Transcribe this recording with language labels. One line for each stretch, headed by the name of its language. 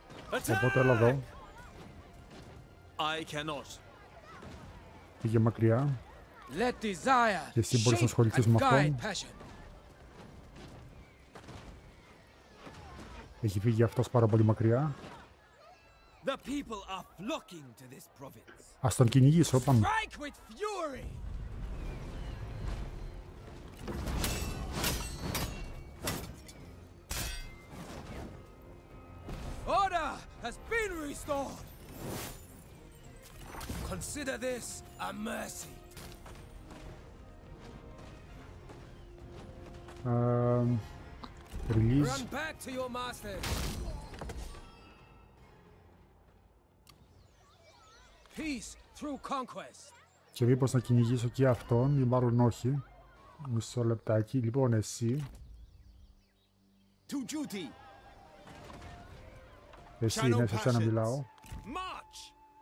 Greek: Οπότε έλα εδώ.
English: I cannot.
Greek: Πήγε μακριά.
English: Let desire.
Greek: Και εσύ μπορείς να ασχοληθείς με αυτό. Έχει φύγει αυτός πάρα πολύ μακριά.
English: The people are flocking to this province.
Greek: Ας τον κυνηγήσω, πάμε.
English: Strike with fury. Order has been restored. Consider this a mercy. Release. Run back to your masters. Peace through conquest.
Greek: Και μήπως να κυνηγήσω και αυτόν, ή μάλλον όχι. Μισό λεπτάκι. Λοιπόν, εσύ.
English: To duty.
Greek: Εσύ, ναι, σε σένα μιλάω.
English: March.